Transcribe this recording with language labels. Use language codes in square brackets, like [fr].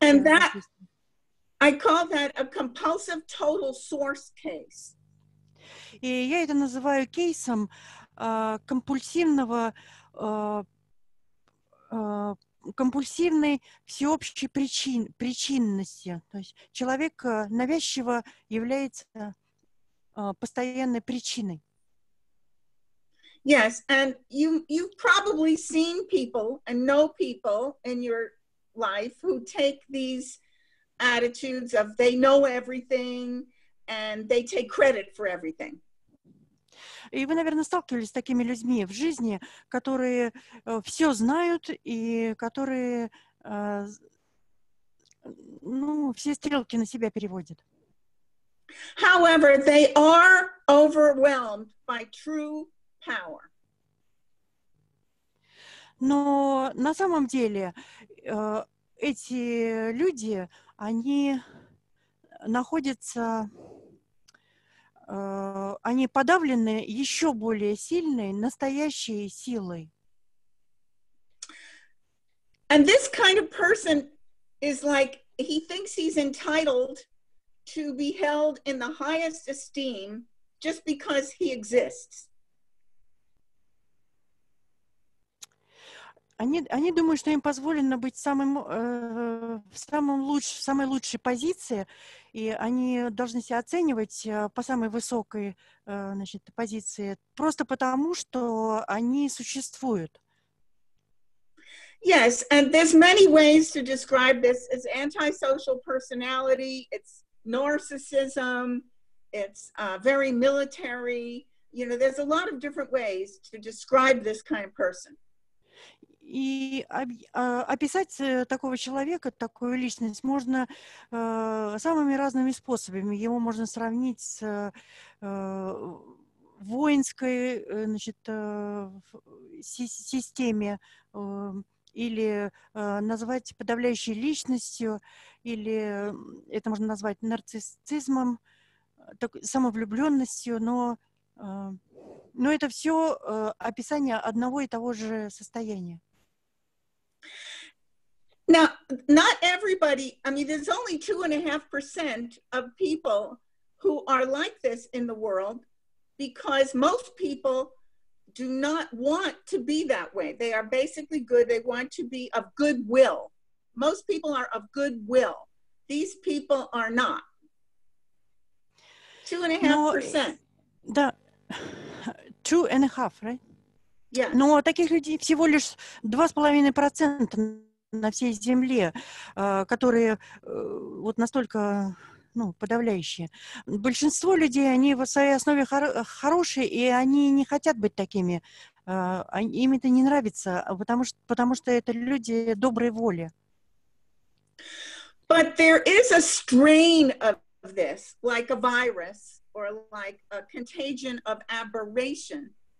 [en] And that, I call that a compulsive total source case. [ru] И я это называю кейсом компульсивной всеобщей причинности. То есть человек навязчиво является постоянной причиной. [en] Yes, and you've probably seen people and know people in your life who take these attitudes of they know everything and they take credit for everything. [ru] И вы, наверное, сталкивались с такими людьми в жизни, которые все знают и которые все стрелки на себя переводят. [en] However, they are overwhelmed by true power. [ru] Но на самом деле эти люди, они находятся, они подавлены еще более сильной, настоящей силой. [en] And this kind of person is like, he thinks he's entitled to be held in the highest esteem just because he exists. [ru] Они думают, что им позволено быть в самой лучшей позиции, и они должны себя оценивать по самой высокой позиции, просто потому, что они существуют. [en] Yes, and there's many ways to describe this. It's antisocial personality, it's narcissism, it's very military. You know, there's a lot of different ways to describe this kind of person. [ru] И описать такого человека, такую личность, можно самыми разными способами. Его можно сравнить с воинской, значит, системе, или назвать подавляющей личностью, или это можно назвать нарциссизмом, самовлюбленностью, но это все описание одного и того же состояния. [en] Now, not everybody, I mean, there's only 2.5% of people who are like this in the world, because most people do not want to be that way. They are basically good. They want to be of good will. Most people are of good will. These people are not. 2.5%. [ru] Да. 2.5, [en] right? Yeah. [ru] Но таких людей всего лишь 2.5% на всей земле, которые вот настолько, ну, подавляющие. Большинство людей, они в своей основе хорошие, и они не хотят быть такими. Им это не нравится, потому что это люди доброй воли. [en] But there is a strain of this, like a virus, or like a contagion of aberration.